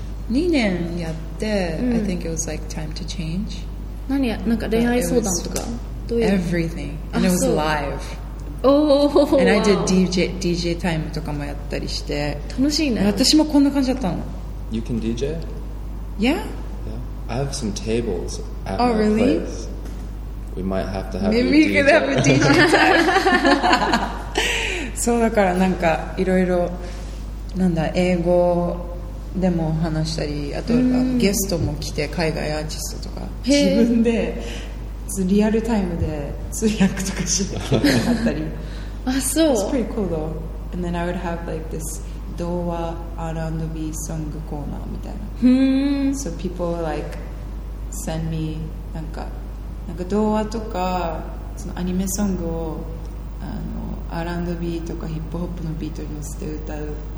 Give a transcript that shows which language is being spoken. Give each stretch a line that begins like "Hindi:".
Japanese: 2年やって、
English: I think it was like time to change.
Japanese: 何や、なんか恋愛相談とか。どういう。
English: Everything, and it was live. Oh, and I did DJ time
Japanese: とかもやったりして。楽しいね。私もこんな感じだったの。
English: You can DJ? Yeah. Yeah. I have some tables at my place. Oh, really? We might have to have Maybe you could have a DJ time.
Japanese: そうだからなんかいろいろなんだ英語でも話したり、あとゲストも来て海外アーティストとか自分でリアルタイムで通訳とかしてあったり。あ、そう。
English: It's pretty cool though. And then I would have like this 童話 R&B song corner
Japanese: みたいな。
English: So people would like send me なんか。
Japanese: なんか童話とかそのアニメソングをR&B とかヒップホップのビートに乗せて歌う